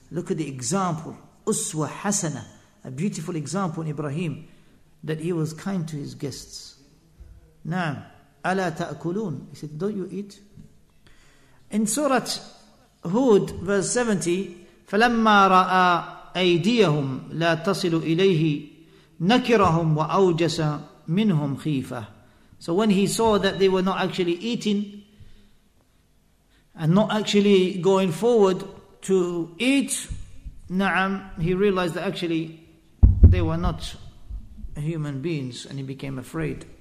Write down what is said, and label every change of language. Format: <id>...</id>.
<en>Look at the example, uswa hasana, a beautiful example in Ibrahim, that he was kind to his guests. Naam,</en> <ar>ala ta'akulun,</ar> <en>he said, don't you eat? In Surah Hud, verse 70,</en> <ar>فَلَمَّا رَأَى أيديهم لا تصل إليه نكرهم وأوجس منهم خيفة.</ar> <en>So when he saw that they were not actually eating and not actually going forward to eat, نعم, he realized that actually they were not human beings, and he became afraid.</en>